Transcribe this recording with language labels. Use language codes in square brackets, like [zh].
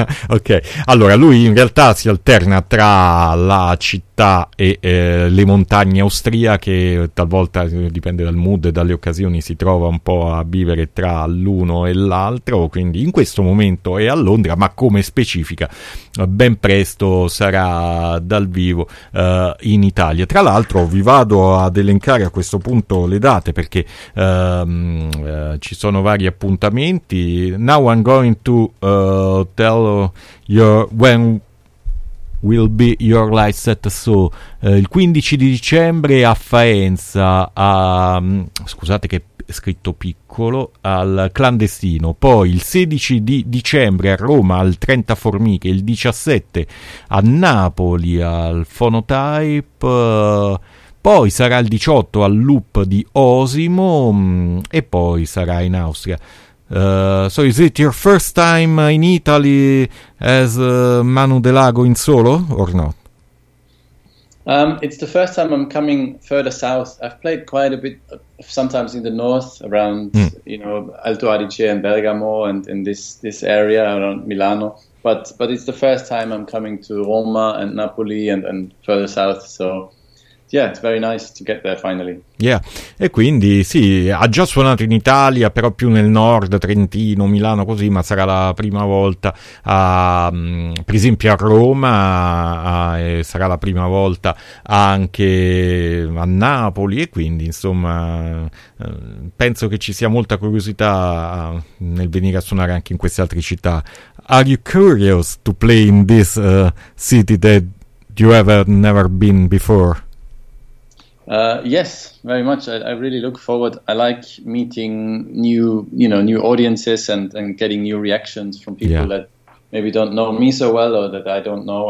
[it] Ok, allora lui in realtà si alterna tra la città e le montagne austriache, talvolta dipende dal mood e dalle occasioni, si trova un po' a vivere tra l'uno e l'altro, quindi in questo momento è a Londra, ma come specifica, ben presto sarà dal vivo in Italia. Tra l'altro vi vado ad elencare a questo punto le date, perché ci sono vari appuntamenti. [en] Now I'm going to tell your when will be your live set. [it] So il 15 di dicembre a Faenza, scusate che è scritto piccolo, al Clandestino, poi il 16 di dicembre a Roma al 30 Formiche, il 17 a Napoli al Phonotype, poi sarà il 18 al Loop di Osimo e poi sarà in Austria. [en] So is it your first time in Italy as Manu de Lago in solo or not? It's the first time I'm coming further south. I've played quite a bit sometimes in the north around you know, Alto Adige and Bergamo and in this area around Milano, but it's the first time I'm coming to Roma and Napoli and further south, so yeah, it's very nice to get there finally. [it] Yeah, e quindi sì, ha già suonato in Italia, però più nel nord, Trentino, Milano, così, ma sarà la prima volta, per esempio a Roma, e sarà la prima volta anche a Napoli, e quindi insomma penso che ci sia molta curiosità nel venire a suonare anche in queste altre città. [en] Are you curious to play in this city that you have never been before? Yes, very much. I really look forward. I like meeting new audiences and getting new reactions from people that maybe don't know me so well or that I don't know.